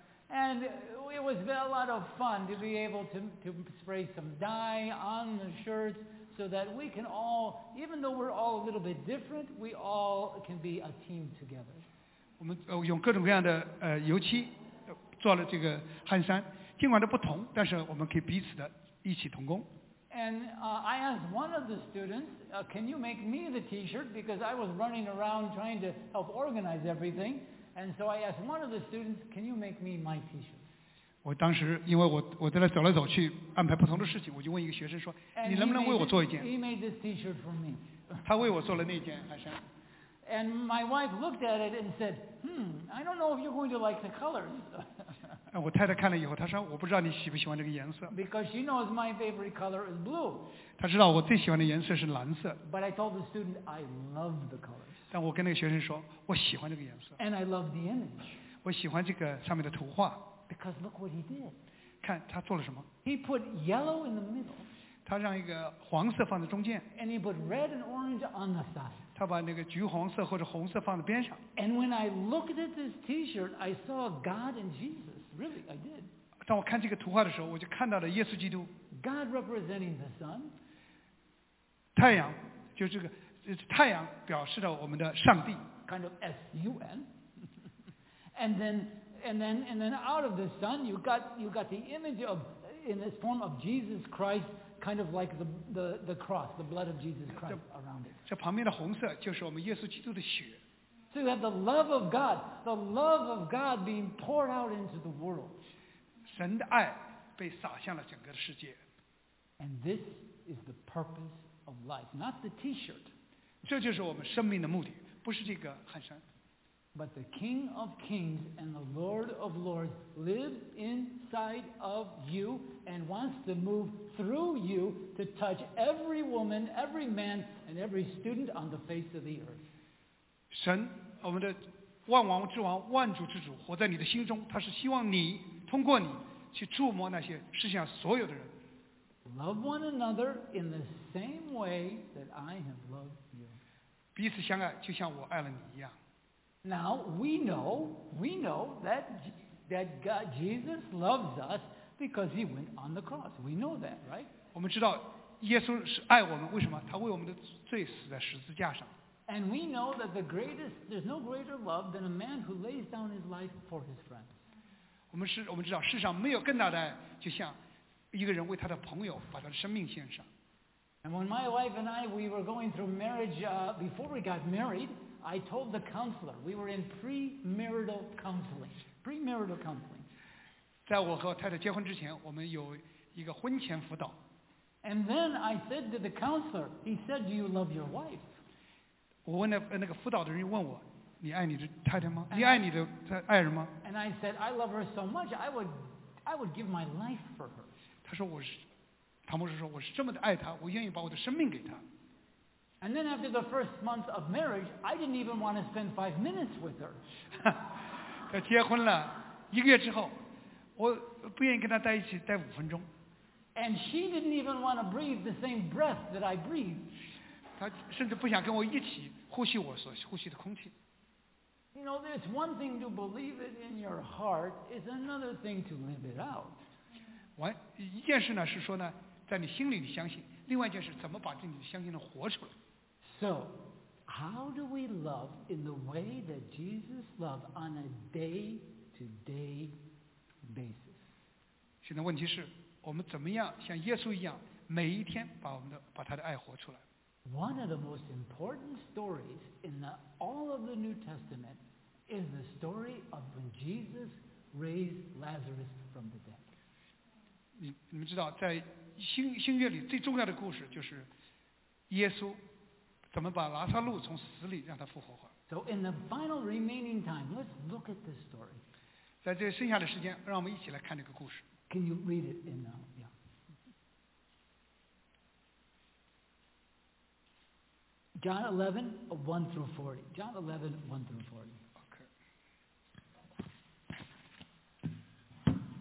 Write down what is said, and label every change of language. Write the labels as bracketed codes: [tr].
[en] And it was a lot of fun to be able to spray some dye on the shirts so that we can all, even though we're all a little bit different, we all can be a team together. [zh] 我们用各种各样的油漆做了这个汗衫，尽管都不同，但是我们可以彼此的一起同工。 [en] And I asked one of the students, can you make me the T-shirt? Because I was running around trying to help organize everything. And so I asked one of the students, can you make me my T-shirt? [zh] 我当时因为我在那走来走去安排不同的事情，我就问一个学生说，你能不能为我做一件？ [en] He made this T-shirt for me. [zh] 他为我做了那件汗衫。 [en] And my wife looked at it and said, I don't know if you're going to like the colors. [zh] 我太太看了以后，她说我不知道你喜不喜欢这个颜色。 [en] Because she knows my favorite color is blue. [zh] 她知道我最喜欢的颜色是蓝色。 [en] But I told the student I love the colors. [zh] 但我跟那个学生说，我喜欢这个颜色。 [en] And I love the image. [zh] 我喜欢这个上面的图画。 [en] Because look what he did. [zh] 看他做了什么。 [en] He put yellow in the middle. [zh] 他让一个黄色放在中间。 [en] And he put red and orange on the side. [zh] 他把那个橘红色或者红色放在边上。 [en] And when I looked at this T-shirt, I saw God and Jesus. Really, I did. [zh] 当我看这个图画的时候，我就看到了耶稣基督。 [en] God representing the sun. [zh] 太阳，就这个，太阳表示了我们的上帝。 [en] Kind of S-U-N. And then out of the sun, you got the image of in this form of Jesus Christ. Kind of like the cross, the blood of Jesus Christ around it. [zh] 这旁边的红色就是我们耶稣基督的血。 [en] So you have the love of God being poured out into the world. [zh] 神的爱被洒向了整个世界。 [en] And this is the purpose of life, not the T-shirt. [zh] 这就是我们生命的目的，不是这个汗衫。 [en] But the King of Kings and the Lord of Lords lives inside of you and wants to move through you to touch every woman, every man, and every student on the face of the earth. [zh] 神，我们的万王之王、万主之主活在你的心中，他是希望你通过你去触摸那些世界上所有的人。 [en] Love one another in the same way that I have loved you. [zh] 彼此相爱，就像我爱了你一样。 [en] Now we know that God, Jesus loves us because he went on the cross. We know that, right? [zh] 我们知道耶稣是爱我们，为什么？他为我们的罪死在十字架上。 [en] And we know that there's no greater love than a man who lays down his life for his friends. [zh] 我们知道世上没有更大的爱，就像一个人为他的朋友把他的生命献上。 [en] And when my wife and I, we were going through marriage, before we got married,I told the counselor we were in premarital counseling. Premarital counseling. [zh] 在我和太太结婚之前，我们有一个婚前辅导。 [en] And then I said to the counselor, he said, "Do you love your wife?" [zh] 我问那个辅导的人问我，你爱你的太太吗？你爱你的爱人吗 [en] ？And I said, "I love her so much, I would give my life for her." [zh] 他说我是，唐博士说我是这么的爱她，我愿意把我的生命给她。 [en] And then after the first month of marriage, I didn't even want to spend 5 minutes with her. [zh] 他结婚了一个月之后，我不愿意跟他待一起待五分钟。 [en] And she didn't even want to breathe the same breath that I breathed. [zh] 她甚至不想跟我一起呼吸我所呼吸的空气。 [en] You know, there's one thing to believe it in your heart, it's another thing to live it out. [zh] 一件事呢是说呢，在你心里你相信，另外一件事怎么把这你的相信呢活出来。 [en] So, how do we love in the way that Jesus loved on a day-to-day basis? [zh] 现在问题是，我们怎么样像耶稣一样，每一天把我们的把他的爱活出来？ [en] One of the most important stories in the, all of the New Testament is the story of when Jesus raised Lazarus from the dead. [zh] 你们知道，在新约里最重要的故事就是耶稣怎么把拉撒路从死里让他复活化。 [en] So in the final remaining time, let's look at this story. [zh] 在这剩下的时间，让我们一起来看这个故事。 [en] Can you read it in now? Yeah. John 11, 1 through 40. John 11, 1 through 40. Okay.